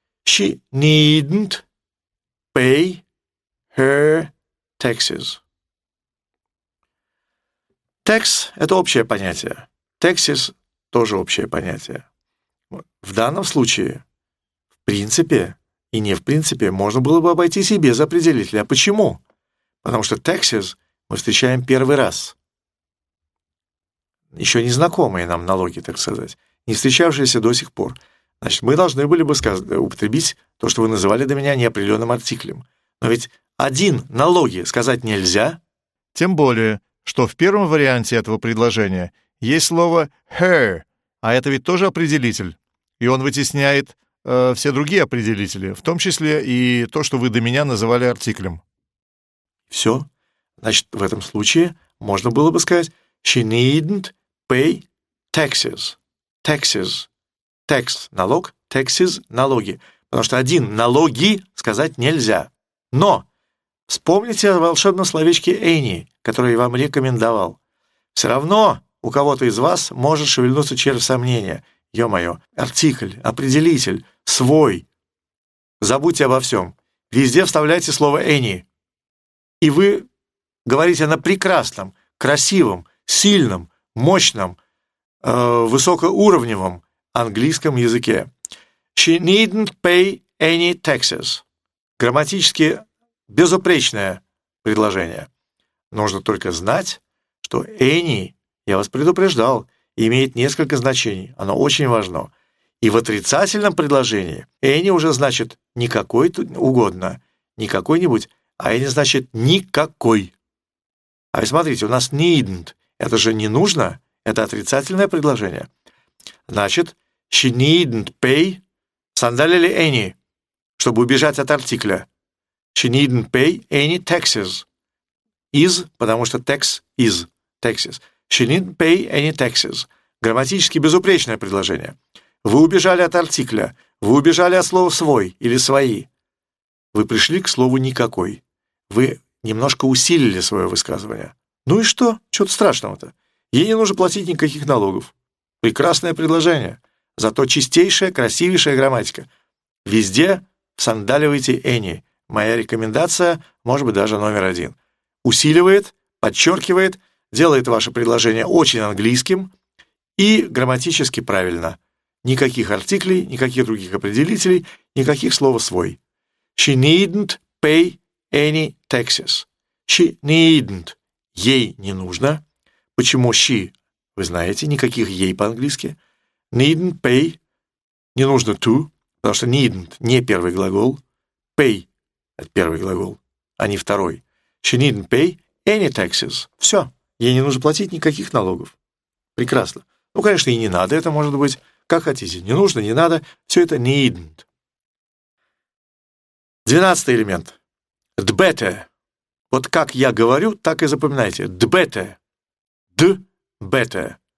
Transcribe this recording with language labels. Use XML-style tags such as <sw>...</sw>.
<en>She needn't pay her taxes.</en> <ru>Tax – это общее понятие. Taxes – тоже общее понятие. В данном случае, в принципе, и не в принципе, можно было бы обойтись и без определителя. А почему? Потому что taxes мы встречаем первый раз. Еще незнакомые нам налоги, так сказать, не встречавшиеся до сих пор. Значит, мы должны были бы употребить то, что вы называли до меня неопределенным артиклем. Но ведь один налоги сказать нельзя. Тем более, что в первом варианте этого предложения есть слово «her», а это ведь тоже определитель, и он вытесняет все другие определители, в том числе и то, что вы до меня называли артиклем. Все. Значит, в этом случае можно было бы сказать</ru> <en>«she needn't pay taxes».</en> <ru>«Taxes» — «tax» — «налог», «taxes» — «налоги». Потому что один «налоги» сказать нельзя. Но вспомните о волшебном словечке «any», который я вам рекомендовал. Все равно у кого-то из вас может шевельнуться червь сомнения. Ё-моё, артикль, определитель, свой. Забудьте обо всем. Везде вставляйте слово «any». И вы говорите на прекрасном, красивом, сильном, мощном, высокоуровневом английском языке.</ru> <en>She needn't pay any taxes.</en> <ru>Грамматически безупречное предложение. Нужно только знать, что any, я вас предупреждал, имеет несколько значений. Оно очень важно. И в отрицательном предложении any уже значит не какой-то угодно, не какой-нибудь, а any значит никакой. А вы смотрите, у нас needn't. Это же не нужно. Это отрицательное предложение. Значит,</ru> <en>she needn't pay sandali</en> <ru>или any, чтобы убежать от артикля.</ru> <en>She needn't pay any taxes. Is,</en> <ru>потому что</ru> <en>tax is, taxes. She needn't pay any taxes.</en> <ru>Грамматически безупречное предложение. Вы убежали от артикля, вы убежали от слова «свой» или «свои». Вы пришли к слову «никакой». Вы немножко усилили свое высказывание. Ну и что? Чего-то страшного-то. Ей не нужно платить никаких налогов. Прекрасное предложение. Зато чистейшая, красивейшая грамматика. Везде сандаливайте any. Моя рекомендация, может быть, даже номер один. Усиливает, подчеркивает, делает ваше предложение очень английским и грамматически правильно. Никаких артиклей, никаких других определителей, никаких слов «свой».</ru> <en>She needn't pay any taxes. She needn't.</en> <ru>Ей не нужно. Почему she? Вы знаете, никаких ей по-английски.</ru> <en>Needn't pay.</en> <ru>Не нужно to, потому что needn't не первый глагол. Pay – это первый глагол, а не второй.</ru> <en>She needn't pay any taxes.</en> <ru>Все. Ей не нужно платить никаких налогов. Прекрасно. Ну, конечно, и не надо. Это может быть как хотите. Не нужно, не надо. Все это needn't. 12-й элемент. D-better. Вот как я говорю, так и запоминайте.</ru> <en>D-better. D-better.</en>